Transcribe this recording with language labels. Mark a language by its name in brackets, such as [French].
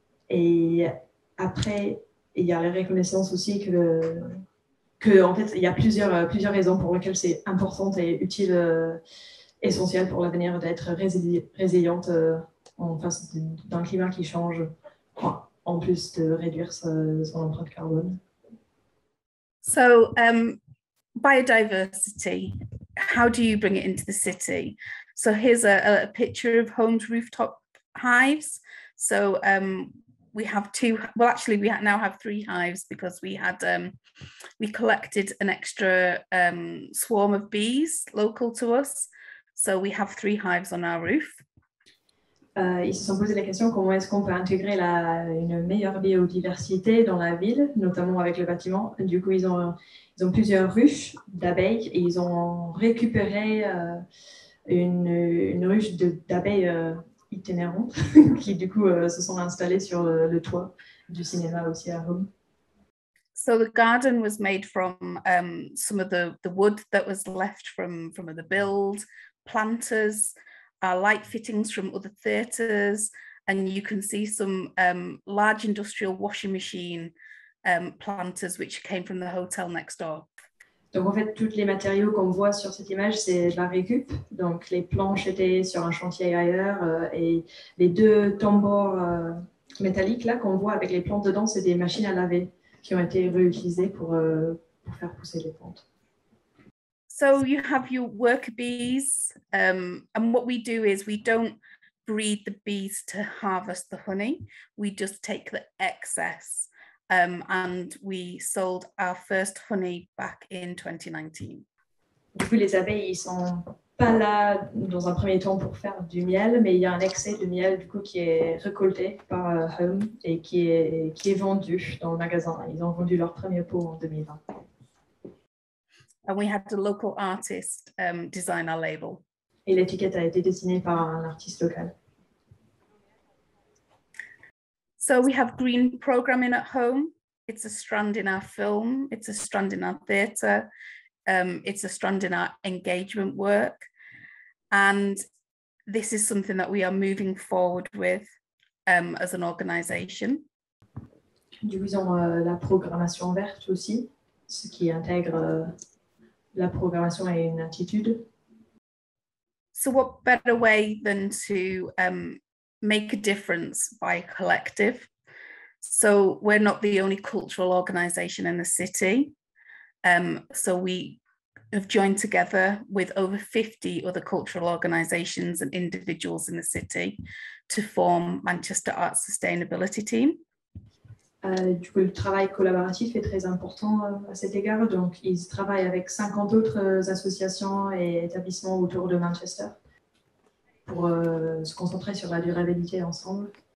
[French] Et après, il y a la reconnaissance aussi que en fait, il y a plusieurs raisons pour lesquelles c'est important et utile, essentiel pour l'avenir d'être résiliente en face d'un climat qui change, en plus de réduire son empreinte carbone. [English] So, biodiversity. How do you bring it into the city? So here's a picture of Holmes rooftop hives. So we have two, well, actually we now have three hives because we had, we collected an extra swarm of bees local to us. So we have three hives on our roof. [French] Ils se sont posé la question, comment est-ce qu'on peut intégrer une meilleure biodiversité dans la ville, notamment avec le bâtiment. Du coup, ils ont plusieurs ruches d'abeilles et ils ont récupéré une ruche d'abeilles itinérantes qui, du coup, se sont installées sur le toit du cinéma aussi à Rome. [English] So the garden was made from some of the wood that was left from the build, planters, our light fittings from other theatres, and you can see some large industrial washing machine planters which came from the hotel next door. [French] Donc en fait, tous les matériaux qu'on voit sur cette image, c'est de la récup. Donc les planches étaient sur un chantier ailleurs et les deux tambours métalliques là qu'on voit avec les plantes dedans, c'est des machines à laver qui ont été réutilisées pour faire pousser les plantes. [English] So you have your worker bees, and what we do is we don't breed the bees to harvest the honey. We just take the excess, and we sold our first honey back in 2019. [French] Du coup, les abeilles, ils sont pas là dans un premier temps pour faire du miel, mais il y a un excès de miel du coup qui est récolté par Home et qui est vendu dans le magasin. Ils ont vendu leur premier pot en 2020. [English] And we had the local artist design our label. [French] Et l'étiquette a été dessinée par un artiste local. [English] So we have green programming at home. It's a strand in our film. It's a strand in our theatre. It's a strand in our engagement work. And this is something that we are moving forward with as an organisation. [French] Du coup, ils ont la programmation verte aussi, ce qui intègre la programmation et une attitude. [English] So what better way than to make a difference by a collective? So we're not the only cultural organization in the city. So we have joined together with over 50 other cultural organizations and individuals in the city to form Manchester Arts Sustainability Team. [French] Du coup, le travail collaboratif est très important à cet égard. Donc, ils travaillent avec 50 autres associations et établissements autour de Manchester pour se concentrer sur la durabilité ensemble.